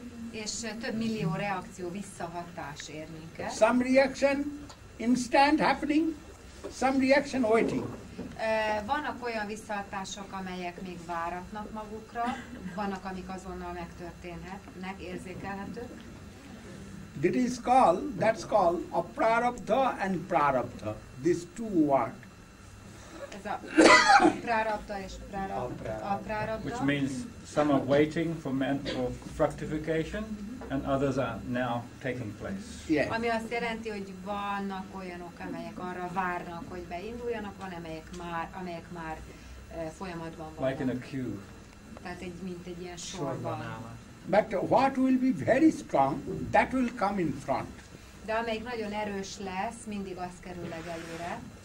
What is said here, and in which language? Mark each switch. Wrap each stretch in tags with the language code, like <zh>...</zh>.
<hu>És több millió reakció visszahatás ér minket.</hu> <en>Some reaction instant happening. Some reaction waiting.</en> <hu>Vannak olyan visszahatások, amelyek még váratnak magukra, vannak, amik azonnal megtörténhetnek, érzékelhetők.</hu> <en>It is called, that's called a prarabdha and prarabdha. These two word.</en> <hu>Ez a prarabdha és prarabdha. A prarabdha.</hu> <en>Which means some are waiting for mental fructification. And others are now taking place. Yes.</en> <hu>Ami azt jelenti, hogy vannak olyanok, amelyek arra várnak, hogy beinduljanak, van amelyek már folyamatban vannak.</hu> <en>Like in a queue.</en> <hu>Tehát mint egy ilyen sorban.</hu> <en>But what will be very strong, that will come in front.</en> <hu>De amelyik nagyon erős lesz, mindig az kerül legelőre.</hu>